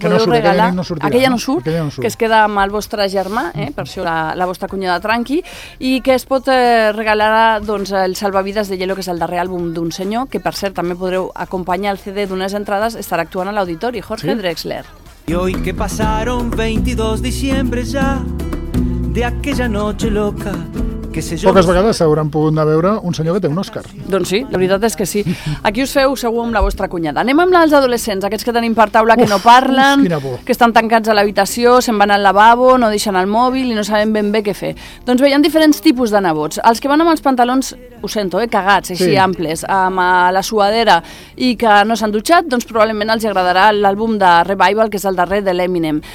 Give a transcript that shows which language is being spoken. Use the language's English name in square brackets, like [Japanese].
[Catalan] que podeu no surt, regalar... aquella, no sortirà, aquella, no surt, aquella no surt, que es queda amb el vostre germà, per això la vostra cunyada tranqui, i que es pot regalar doncs, el Salvavides de Hielo, que és el darrer àlbum d'un senyor, que per cert també podreu acompanyar el CD d'unes entrades, estarà actuant a l'auditori, Jorge Drexler. [Spanish] I hoy que pasaron 22 diciembre ya de aquella noche loca. [Catalan] Poques vegades s'hauran pogut anar a veure un senyor que té un Òscar. Doncs sí, la veritat és que sí. Aquí us feu segur amb la vostra cunyada. Anem amb els adolescents, aquests que tenim per taula que no parlen, que estan tancats a l'habitació, se'n van al lavabo, no deixen el mòbil i no sabem ben bé què fer. Doncs bé, hi ha diferents tipus de nebots. Els que van amb els pantalons, ho sento, cagats, així amples, amb la suadera i que no s'han dutxat, doncs probablement els agradarà l'àlbum de Revival, que és el darrer de l'Eminem.